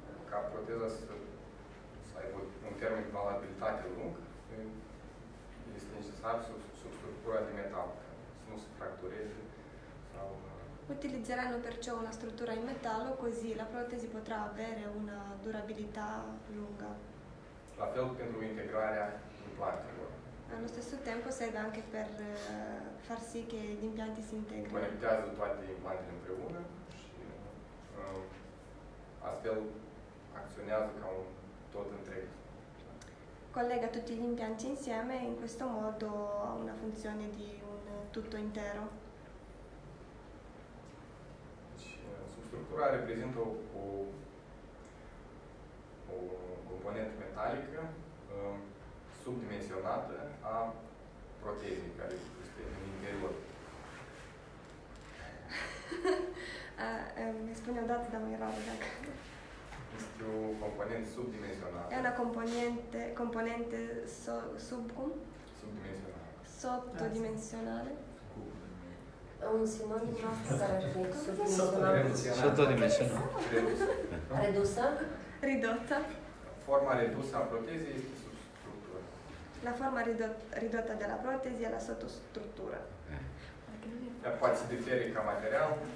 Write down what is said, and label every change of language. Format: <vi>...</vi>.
<ro>Ca proteza să aibă un termen de valabilitate lung, este necesar substructura de metal, ca să nu se fractureze.</ro> <it>Utilizzeranno perciò una struttura in metallo, così la protesi potrà avere una durabilità lunga.</it> <ro>La fel pentru integrarea implantelor.</ro> <it>Allo stesso tempo serve anche per far sì che gli impianti si integrino.</it> <ro>Conectează toate implantele împreună și astfel acționează ca un tot întreg.</ro> <it>Collega tutti gli impianti insieme e in questo modo ha una funzione di un tutto intero.</it> <ro>Deci, substructura reprezintă o componentă metalică subdimensionată a protezii care este în interior. Mi spune odată, dar mai rău dacă... Este o componentă subdimensionată.</ro> <it>E una componente subcum?</it> <ro>Subdimensionată.</ro> <it>Sottodimensionale.</it> <ro>Un sinonim asta ar fi subdimensionată. Sottodimensionată. Redusă?</ro> <it>Ridotta.</it> <ro>Forma redusă a protezii este substructura.</ro> <it>La forma ridotta della protesi è la sottostruttura.</it> <ro>Ea poate diferi ca material.</ro>